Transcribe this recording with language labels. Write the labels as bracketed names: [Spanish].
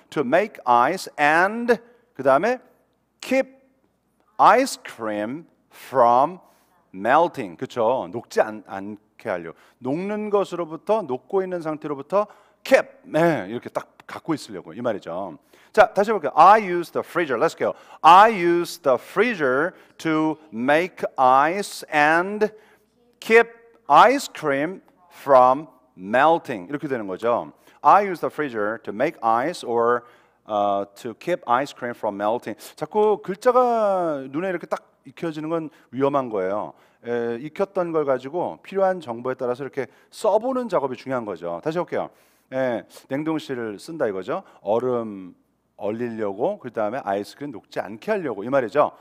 [English] To make ice and 그 다음에 keep ice cream from melting. 그렇죠? [Korean] 녹지 않게 하려고. 녹는 것으로부터 녹고 있는 상태로부터 keep 네, 이렇게 딱 갖고 있으려고 이 말이죠. 자, 다시 해볼게요. I use the freezer. Let's go. [English] I use the freezer to make ice and keep ice cream from melting. 이렇게 되는 거죠. I use the freezer to make ice or to keep ice cream from melting. [Korean] 자꾸 글자가 눈에 이렇게 딱 익혀지는 건 위험한 거예요. 에, 익혔던 걸 가지고 필요한 정보에 따라서 이렇게 써보는 작업이 중요한 거죠. 다시 볼게요. 예, 냉동실을 쓴다 이거죠. 얼음 얼리려고 그 다음에 아이스크림 녹지 않게 하려고 이 말이죠.